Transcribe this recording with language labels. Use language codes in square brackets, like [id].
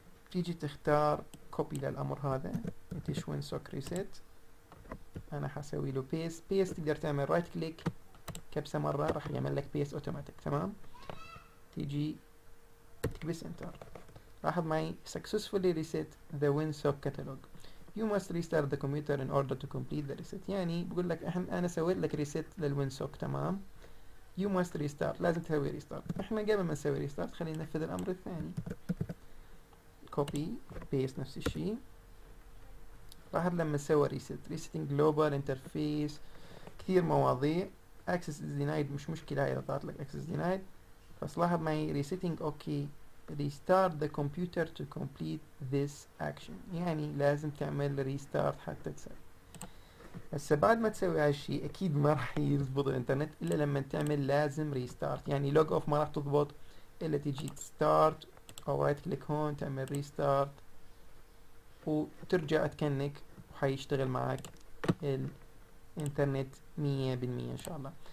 [ar] تيجي تختار كوبي للامر هذا تشوين سوك ريسيت، انا حسوي له بيست. بيست تقدر تعمل رايت كليك كبسة مرة راح يعمل لك بيست اوتوماتيك، تمام. تيجي تكبس انتر، لاحظ معي [en] successfully reset the Winsock catalog. You must restart the computer in order to complete the reset. [ar] يعني بقول لك انا سويت لك reset للWinsock، تمام. [en] You must restart، [ar] لازم تسوي restart. احنا قبل ما نسوي restart خلينا ننفذ الامر الثاني. [en] Copy paste [ar] نفس الشيء. لاحظ لما سوي reset [en] resetting global interface [ar] كثير مواضيع. [en] Access is denied [ar] مش مشكلة، اذا طلعت لك [en] access denied. [ar] بس لاحظ معي [en] resetting okay. Restart the computer to complete this action. [ar] يعني لازم تعمل restart حتى تسوي. هسه بعد ما تسوي هالشيء اكيد ما راح يضبط الانترنت الا لما تعمل لازم restart. يعني [en] log off [ar] ما راح تضبط الا تجي start او right click هون تعمل restart وترجع تكنك وحيشتغل معك الانترنت 100% ان شاء الله.